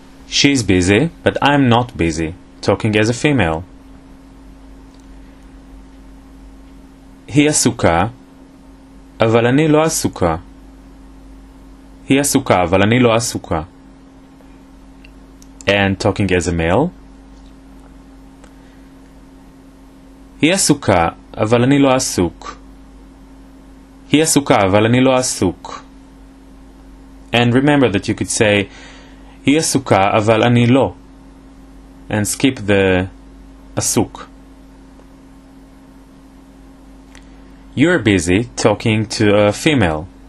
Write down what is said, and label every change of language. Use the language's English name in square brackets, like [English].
[English] She's busy, but I'm not busy, talking as a female. [Hebrew] היא עסוקה, אבל אני לא עסוקה. היא עסוקה, אבל אני לא עסוקה. [English] And talking as a male. [Hebrew] היא עסוקה, אבל אני לא עסוק. היא עסוקה, אבל אני לא עסוק. [English] And remember that you could say, [Hebrew] היא עסוקה, אבל אני לא. [English] And skip the עסוק. You're busy talking to a female.